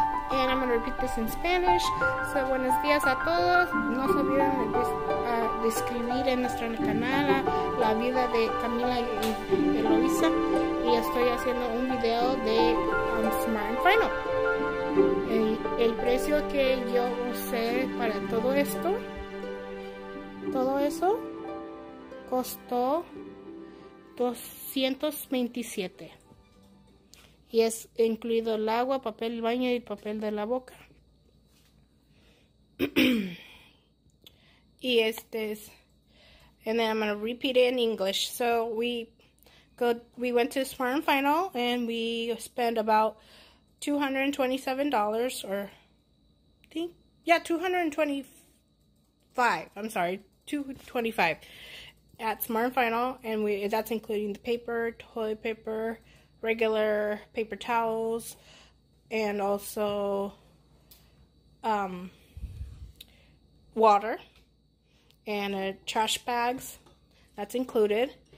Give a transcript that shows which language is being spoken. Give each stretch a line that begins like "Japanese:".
English: And I'm going to repeat this in Spanish.
Spanish: So, buenos días a todos. No se olviden de escribir en nuestro canal la vida de Camila y Eloisa. Y estoy haciendo un video de Smart and Final. El precio que yo usé para todo esto, todo eso, costó $227. Y es incluido el agua, papel del baño y papel de la boca. Y este es,
English: and then I'm going to repeat it in English. So we went to Smart and Final and we spent about $227 or $225 at Smart and Final, and that's including the paper, toilet paper, regular paper towels, and also water and trash bags, that's included.